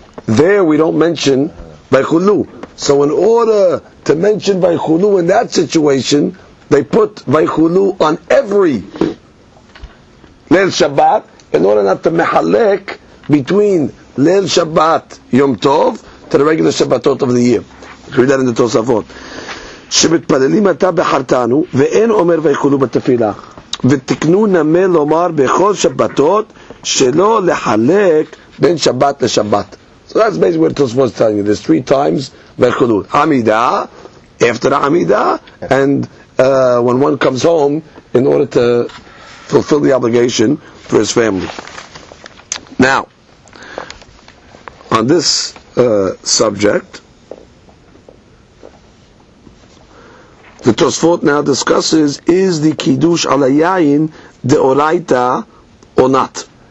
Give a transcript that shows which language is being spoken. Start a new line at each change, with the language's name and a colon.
English: There we don't mention Vaykhulu. So in order to mention Vaykhulu in that situation, they put Vaykhulu on every Leil Shabbat in order not to mehalek between Leil Shabbat Yom Tov to the regular Shabbatot of the year. Read that in the Tosafot.
Hebrew: שמתפללים אתה בחרתנו ואין אומר ויכולו בתפילה ותקנו נמל לומר בכל שבתות שלא לחלק בין שבת לשבת.
English: So that's basically what Tosfos was telling you. There's three times
Hebrew: ויכולו.
English: עמידה, after עמידה, and when one comes home in order to fulfill the obligation for his family. Now, on this subject, the Tosfot now discusses, is the Kiddush al Yayin de'oraita or not?